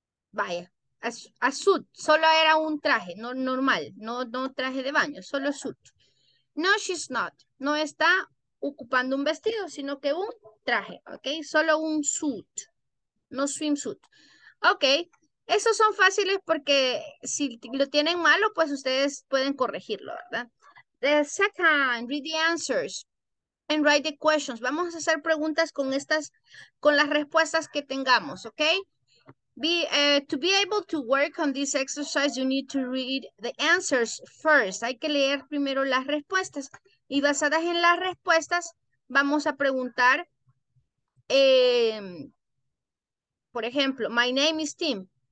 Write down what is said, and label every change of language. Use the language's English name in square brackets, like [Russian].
[Spanish] Vaya. A suit, solo era un traje, no normal, no traje de baño, solo suit. [English] No, she's not. [Spanish] No está ocupando un vestido, sino que un traje, ¿ok? Solo un suit, no swimsuit. Ok, esos son fáciles porque si lo tienen malo, pues ustedes pueden corregirlo, ¿verdad? [English] The second, read the answers and write the questions. [Spanish] Vamos a hacer preguntas con estas, con las respuestas que tengamos, ¿ok? [English] To be able to work on this exercise, you need to read the answers first. [Spanish] Hay que leer primero las respuestas. Y basadas en las respuestas, vamos a preguntar, por ejemplo, [English] my name is Tim.